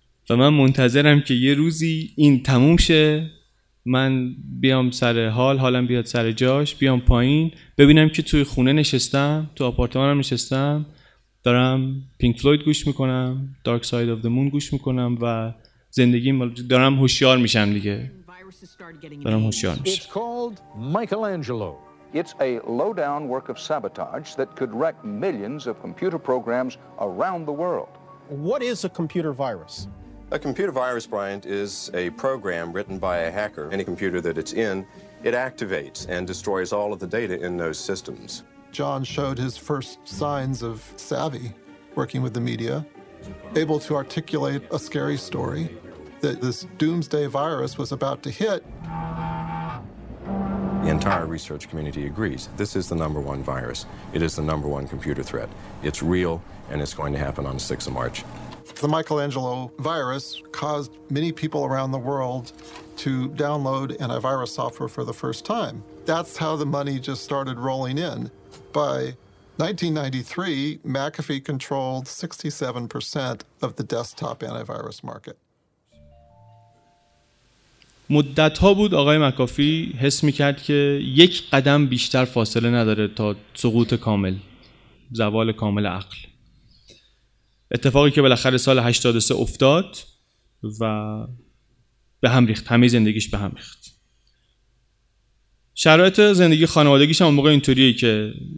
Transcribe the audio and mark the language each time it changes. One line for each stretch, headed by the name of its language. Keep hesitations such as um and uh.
Persian: و من منتظرم که یه روزی این تموم شه من بیام سر حال حالم بیاد سر جاش بیام پایین ببینم که توی خونه نشستم تو آپارتمانم نشستم دارم پینک فلوید گوش میکنم دارک ساید آف دمون گوش میکنم و زندگی دارم هوشیار میشم دیگه
English: It's called Michelangelo. It's a low-down work of sabotage that could wreck millions of computer programs around the world. What is a computer virus? A computer virus, Bryant, is a program written by a hacker. Any computer that it's in, it activates and destroys all of the data in those systems. John showed his first signs of savvy working with the media, able to articulate a scary story that this doomsday virus was about to hit. The entire research community agrees this is the number one virus. It is the number one computer threat. It's real, and it's going to happen on the 6th of March. The Michelangelo virus caused many people around the world to download antivirus software for the first time. That's how the money just started rolling in. By 1993, McAfee controlled 67% of the desktop antivirus market.
Persian: مدت ها بود آقای مکافی حس می کرد که یک قدم بیشتر فاصله نداره تا سقوط کامل زوال کامل عقل اتفاقی که بالاخره سال 83 افتاد و به هم ریخت همه زندگیش به هم ریخت شرایط زندگی خانوادگیش هم موقع اینطوریه که